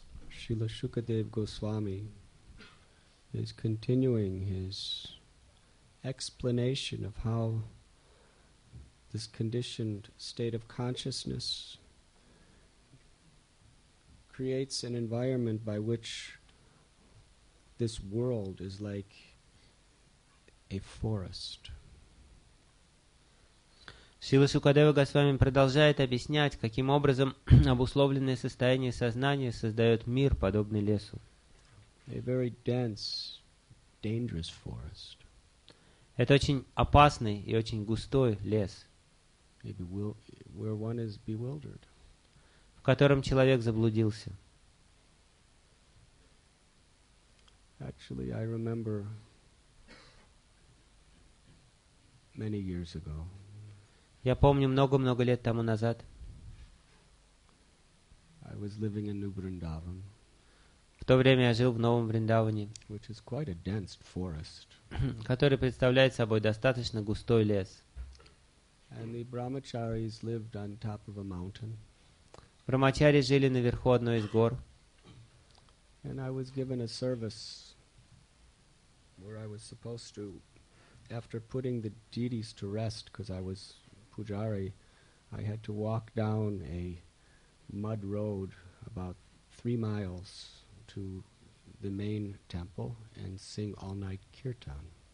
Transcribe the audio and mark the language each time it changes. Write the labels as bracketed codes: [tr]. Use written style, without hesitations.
[en] Srila Shukadev Goswami is continuing his explanation of how this conditioned state of consciousness creates an environment by which this world is like a forest. [ru] Сила Шукадева Госвами продолжает объяснять, каким образом обусловленное состояние сознания создает мир, подобный лесу. [en] A very dense, dangerous forest. [ru] Это очень опасный и очень густой лес, [en] where one is bewildered. [ru] В котором человек заблудился. [en] Actually, I remember many years ago. [ru] Я помню много-много лет тому назад. [en] I was living in New Vrindavan, [ru] в то время я жил в Новом Вриндаване, [en] which is quite a dense forest, [ru] который представляет собой достаточно густой лес. [en] And the brahmacharis lived on top of a mountain. [ru] Брахмачари жили наверху одной из гор. [en] And I was given a service where I was supposed to, after putting the deities to rest, because I was Pujari, I had to walk down a mud road about 3 miles to the main temple and sing all night kirtan.